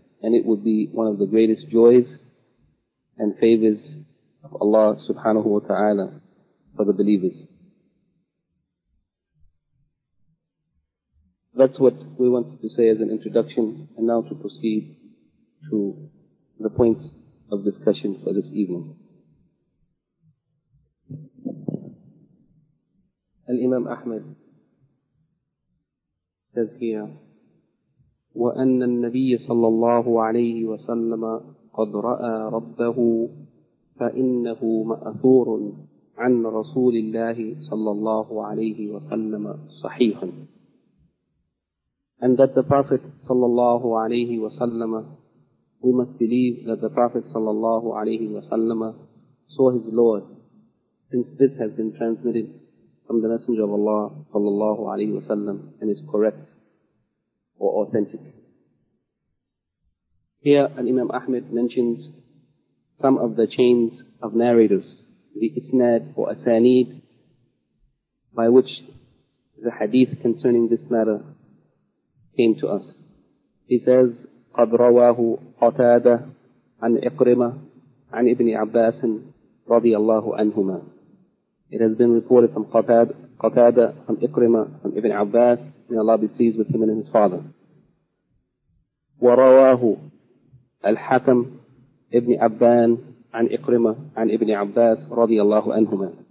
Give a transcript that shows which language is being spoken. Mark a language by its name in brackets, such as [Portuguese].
[English] And it would be one of the greatest joys and favors of Allah subhanahu wa ta'ala for the believers. That's what we wanted to say as an introduction, and now to proceed to the points of discussion for this evening. Al-Imam Ahmad says here, [Arabic] وَأَنَّ النَّبِيَّ صَلَّى اللَّهُ عَلَيْهِ وَسَلَّمَ قَدْ رَأَى رَبَّهُ فَإِنَّهُ مَأْثُورٌ عَنْ رَسُولِ اللَّهِ صَلَّى اللَّهُ عَلَيْهِ وَسَلَّمَ صَحِيحٌ. [English] And that the Prophet sallallahu alayhi wa sallam, we must believe that the Prophet sallallahu alayhi wa sallam saw his Lord, since this has been transmitted from the Messenger of Allah sallallahu alayhi wa sallam and is correct or authentic. Here, Al-Imam Ahmad mentions some of the chains of narrators, the isnad or asanid, by which the hadith concerning this matter came to us. He says, [Arabic] قَدْ رَوَاهُ قَتَادَ عَنْ إِقْرِمَةَ عَنْ إِبْنِ عَبَّاسٍ رَضِيَ اللَّهُ عَنْهُمَا. [English] It has been reported from Qatada, from Iqrima, from Ibn Abbas, may Allah be pleased with him and his father. [Arabic] وَرَوَاهُ الْحَكَمْ إِبْنِ عَبَّان عَنْ إِقْرِمَةَ عَنْ إِبْنِ عَبَّاسِ رَضِيَ اللَّهُ عَنْهُمَا.